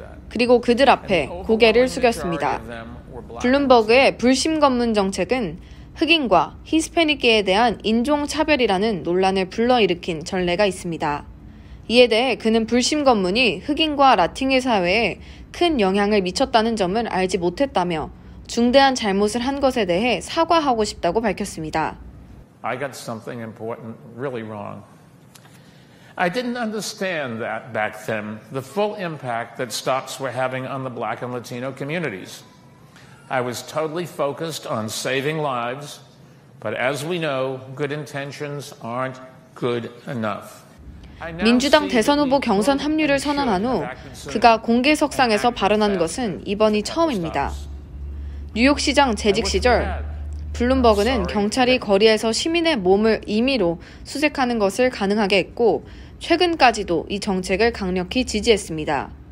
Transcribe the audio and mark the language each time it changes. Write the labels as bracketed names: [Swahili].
[Korean] 그리고 그들 앞에 고개를 숙였습니다. 블룸버그의 불심 검문 정책은 흑인과 히스패닉계에 대한 인종차별이라는 논란을 불러일으킨 전례가 있습니다. 이에 대해 그는 불심검문이 흑인과 라틴의 사회에 큰 영향을 미쳤다는 점을 알지 못했다며 중대한 잘못을 한 것에 대해 사과하고 싶다고 밝혔습니다. [English] I got something important really wrong. I didn't understand that back then, the full impact that stocks were having on the black and Latino communities. I was totally focused on saving lives, but as we know, good intentions aren't good enough. [Korean] 민주당 대선 후보 경선 합류를 선언한 후 그가 공개석상에서 발언한 것은 이번이 처음입니다. 뉴욕시장 재직 시절 블룸버그는 경찰이 거리에서 시민의 몸을 임의로 수색하는 것을 가능하게 했고 최근까지도 이 정책을 강력히 지지했습니다.